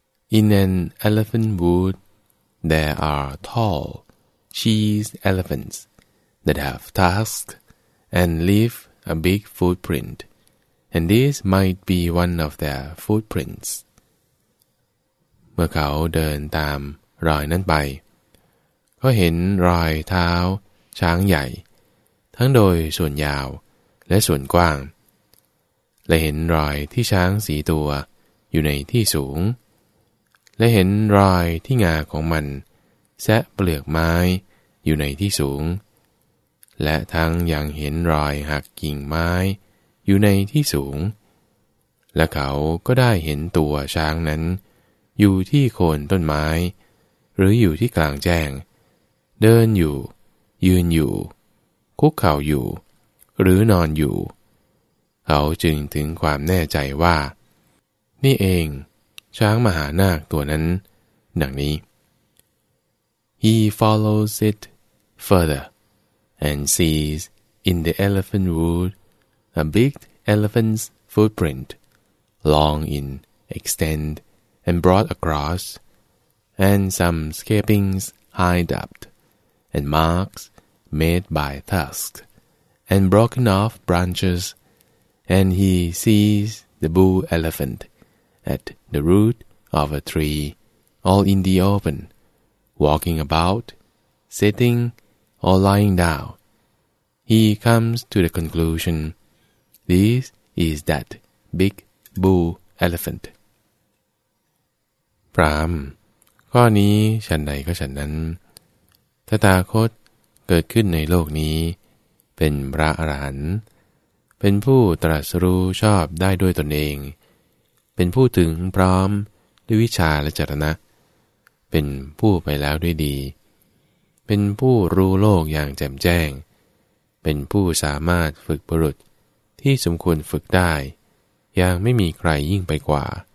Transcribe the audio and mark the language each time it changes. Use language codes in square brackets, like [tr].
[en] In an elephant wood, there are tall, cheese elephants that have tusks and leave a big footprint, and this might be one of their footprints. [th] เมื่อเขาเดินตามรอยนั้นไปก็เห็นรอยเท้าช้างใหญ่ทั้งโดยส่วนยาวและส่วนกว้างและเห็นรอยที่ช้างสีตัวอยู่ในที่สูง และเห็นรอยที่งาของมันแซะเปลือกไม้อยู่ในที่สูงและทั้งยังเห็นรอยหักกิ่งไม้อยู่ในที่สูง และเขาก็ได้เห็นตัวช้างนั้นอยู่ที่โคนต้นไม้หรืออยู่ที่กลางแจ้งเดินอยู่ยืนอยู่คุกเข่าอยู่หรือนอนอยู่เขาจึงถึงความแน่ใจว่านี่เองช้างมหานาคตัวนั้นดังนี้ [en] He follows it further and sees in the elephant wood a big elephant's footprint long in extent and broad across and some scrapings hind up and marks made by tusks and broken off branches and he sees the bull elephant at the root of a tree all in the open walking about sitting or lying down he comes to the conclusion this is that big bull elephant [th] พราหมณ์ข้อนี้ฉันใดก็ฉันนั้นตถาคตเกิดขึ้นในโลกนี้เป็นพระอรหันต์เป็นผู้ตรัสรู้ชอบได้ด้วยตนเองเป็นผู้ถึงพร้อมด้วยวิชาและจรณะเป็นผู้ไปแล้วด้วยดีเป็นผู้รู้โลกอย่างแจ่มแจ้งเป็นผู้สามารถฝึกบุรุษที่สมควรฝึกได้อย่างไม่มีใครยิ่งไปกว่า